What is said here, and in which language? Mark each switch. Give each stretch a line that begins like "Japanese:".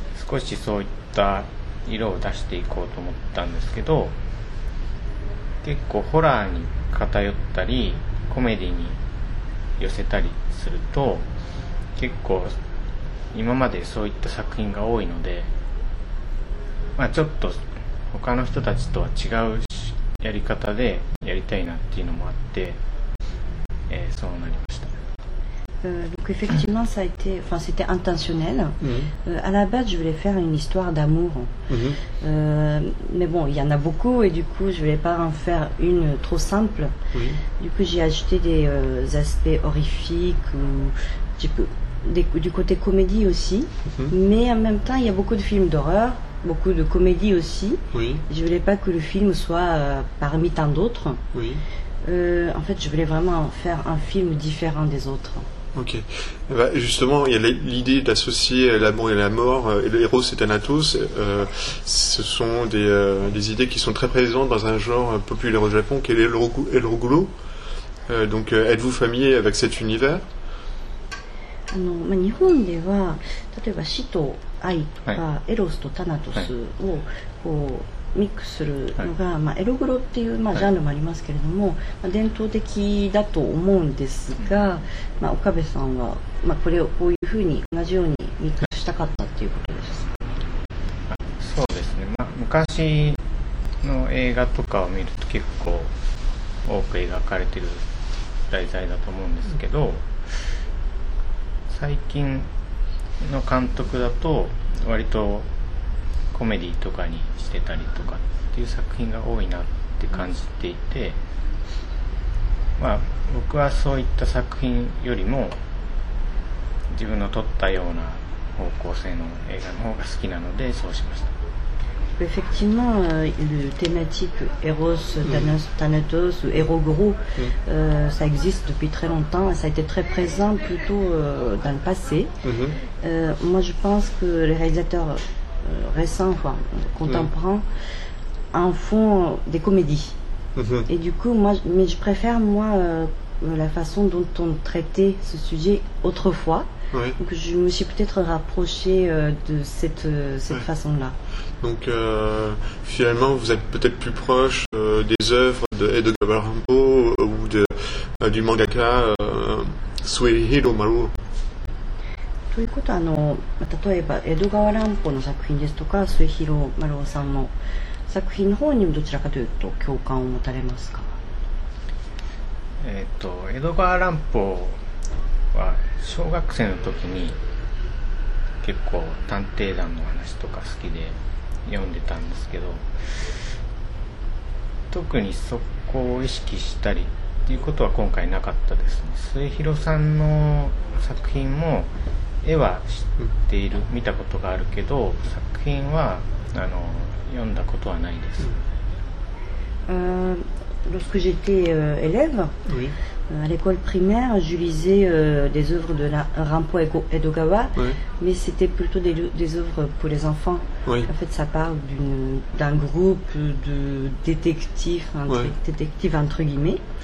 Japanese: 少しそういった色を出していこうと思ったんですけど、結構ホラーに偏ったりコメディに寄せたりすると、結構今までそういった作品が多いので、まあちょっと他の人たちとは違うしやり方でやりたいなっていうのもあって、そうなりました。
French: Donc effectivement, ça a été, enfin, c'était intentionnel. À la base, je voulais faire une histoire d'amour. Mais bon, il y en a beaucoup et du coup, je voulais pas en faire une trop simple. Du coup, j'ai ajouté des aspects horrifiques ou du côté comédie aussi. Mais en même temps, il y a beaucoup de films d'horreur. Beaucoup de comédie aussi. Je voulais pas que le film soit parmi tant d'autres. En fait, je voulais vraiment faire un film différent des autres. Ok. Bah, justement, il y a l'idée d'associer l'amour et la mort, et l'héros et Thanatos. Ce sont des idées qui sont très présentes dans un genre populaire au Japon, qui est El Rugulo. Donc, êtes-vous familier avec cet univers ?
Japanese: 日本では例えば死と愛とかエロスとタナトスをこうミックスするのが、まあ、エログロっていう、まあ、ジャンルもありますけれども、まあ、伝統的だと思うんですが、まあ、岡部さんは、まあ、これをこういうふうに同じようにミックスしたかったっていうことですか。そうですね、まあ、昔の映画とかを見ると結構多く描かれている題材だと思うんですけど、最近の監督だと割とコメディとかにしてたりとかっていう作品が多いなって感じていて、まあ僕はそういった作品よりも自分の撮ったような方向性の映画の方が好きなのでそうしました。
French: Effectivement, le thématique Eros, Thanatos ou Héros Gros, ça existe depuis très longtemps et ça a été très présent plutôt dans le passé. Moi, je pense que les réalisateurs récents, enfin, contemporains, en font des comédies. Et du coup, moi, mais je préfère, moi, la façon dont on traitait ce sujet autrefois. Ouais. Donc je me suis peut-être rapprochée de cette ouais. façon-là. Donc finalement, vous êtes peut-être plus proche des œuvres d'Edgar Allan Poe ou du mangaka Suihiro Maru.
Japanese: ということは例えば江戸川乱歩の作品ですとか末広丸尾さんの作品の方にもどちらかというと共感を持たれますか？江戸川乱歩は小学生の時に結構探偵団の話とか好きで読んでたんですけど、特にそこを意識したりっていうことは今回なかったですね。末広さんの作品も絵は知っている、見たことがあるけど、作品は読んだことはないです。
French: Lorsque j'étais élève, à l'école primaire, je lisais des œuvres de Rampo Edogawa, mais c'était plutôt des œuvres pour les enfants. Oui. En fait, ça parle d'un groupe de détectives, détectives entre guillemets.